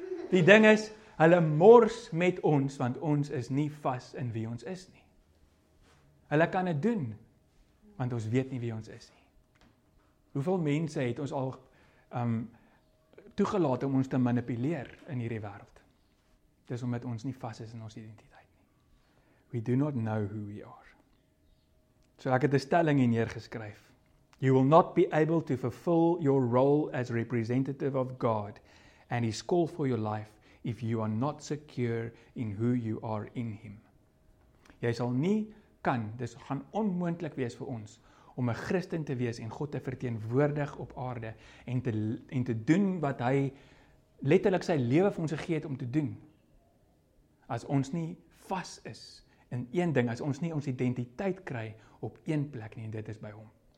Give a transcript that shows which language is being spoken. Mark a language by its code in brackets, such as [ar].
[af] Die ding is, hulle mors met ons, want ons is nie vas in wie ons is nie. Hulle kan het doen, want ons weet nie wie ons is nie. Hoeveel mense het ons al toegelaat om ons te manipuleer in hierdie wereld? Dis omdat ons nie vas is in ons identiteit nie. [en] We do not know who we are. [af] So ek het 'n stelling hier neergeskryf. [en] You will not be able to fulfill your role as representative of God and his call for your life if you are not secure in who you are in him. [af] Jy sal nie kan, dis gaan onmoontlik wees vir ons, om 'n Christen te wees en God te verteenwoordig op aarde en te doen wat hy letterlik sy lewe vir ons gegee het om te doen. As ons nie vas is in een ding, as ons nie ons identiteit kry op een plek nie, en dit is by hom.